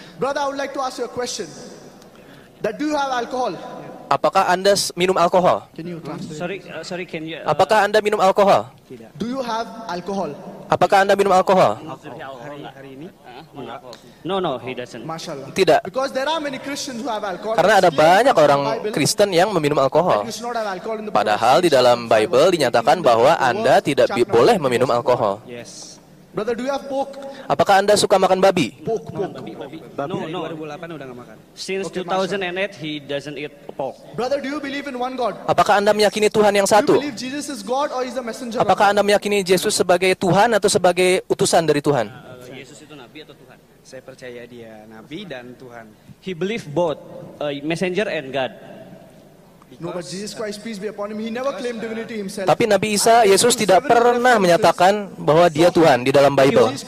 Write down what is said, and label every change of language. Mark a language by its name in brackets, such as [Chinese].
[English] Brother, I would like to ask you a question. That do you have alcohol? [Indonesian] Apakah Anda minum alkohol? [English] Can you translate? Sorry, can you? [Indonesian] Apakah Anda minum alkohol? [English] Tidak. Do you have alcohol? [Indonesian] Apakah Anda minum alkohol? Hari ini? [English] No, no, he doesn't. [Indonesian] Tidak. [English] Because there are many Christians who have alcohol. [Indonesian] Karena ada banyak orang Kristen yang meminum alkohol. Padahal di dalam Bible dinyatakan bahwa Anda tidak boleh meminum alkohol. [English] Yes. Brother, do you have pork? [Indonesian] Apakah Anda suka makan babi? [English] Pork, pork. [Indonesian] Babi. No, 2008 udah enggak makan. [English] Since 2008 he doesn't eat pork. Brother, do you believe in one God? [Indonesian] Apakah Anda meyakini Tuhan yang satu? [English] Do you believe Jesus is God or is a messenger? [Indonesian] Apakah Anda meyakini Yesus sebagai Tuhan atau sebagai utusan dari Tuhan? Yesus itu nabi atau Tuhan? Saya percaya dia nabi dan Tuhan. [English] He believe both messenger and God. Because, no, but Jesus Christ, peace be upon him. He never claimed divinity himself. [Indonesian] Tapi Nabi Isa, Yesus tidak pernah menyatakan bahwa dia Tuhan di dalam Bible.